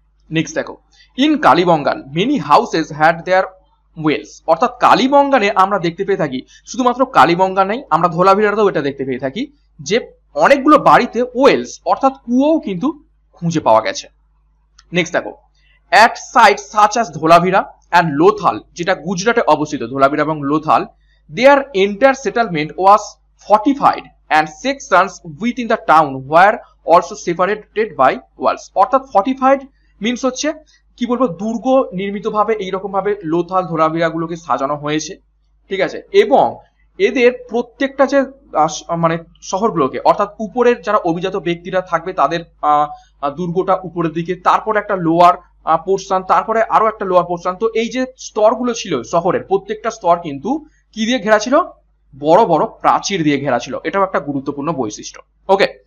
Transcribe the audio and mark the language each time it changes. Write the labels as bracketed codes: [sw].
[bn] Next দেখো, [en] in Kalibangan many houses had their wells, [bn] অর্থাৎ কালীবঙ্গানে আমরা দেখতে পেয়ে থাকি, শুধুমাত্র কালীবঙ্গানেই, আমরা ধোলাভিড়াতেও এটা দেখতে পেয়ে থাকি যে অনেকগুলো বাড়িতে ওয়েলস অর্থাৎ কুয়োও কিন্তু খুঁজে পাওয়া গেছে। [en] next দেখো, at site such as Dholavira and Lothal, [bn] যেটা গুজরাটে অবস্থিত ধোলাভিড়া এবং লোথাল, [en] Their entire settlement was fortified and 6 runs within the town were also separated by walls. [bn] অর্থাৎ [en] fortified means [bn] হচ্ছে কি বলবো দুর্গ নির্মিতভাবে এই রকম ভাবে লোথাল ধরাবিরাগুলোকে সাজানো হয়েছে ঠিক আছে এবং এদের প্রত্যেকটা যে মানে শহরগুলোকে অর্থাৎ উপরের যারা অভিজাত ব্যক্তিরা থাকবে তাদের দুর্গটা উপরের দিকে তারপর একটা লোয়ার পোর্শন তারপরে আরো একটা লোয়ার পোর্শন তো এই যে স্তরগুলো ছিল শহরের প্রত্যেকটা স্তর কিন্তু কি দিয়ে ঘেরা ছিল বড় বড় প্রাচীর দিয়ে ঘেরা ছিল এটাও একটা গুরুত্বপূর্ণ বৈশিষ্ট্য ওকে